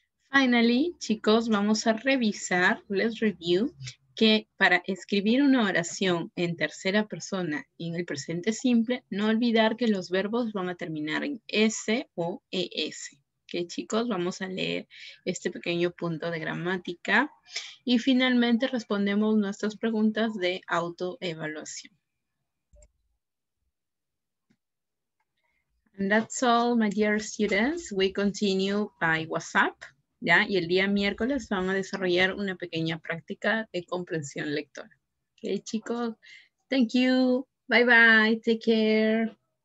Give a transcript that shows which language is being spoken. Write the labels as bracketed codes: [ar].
[es] Finally, chicos, vamos a revisar, [en] let's review, [es] que para escribir una oración en tercera persona y en el presente simple, no olvidar que los verbos van a terminar en S o ES. Ok, chicos, vamos a leer este pequeño punto de gramática y finalmente respondemos nuestras preguntas de autoevaluación. [en] And that's all, my dear students. We continue by WhatsApp. [es] ¿Ya? Y el día miércoles van a desarrollar una pequeña práctica de comprensión lectora. Ok, chicos. [en] Thank you. Bye bye. Take care.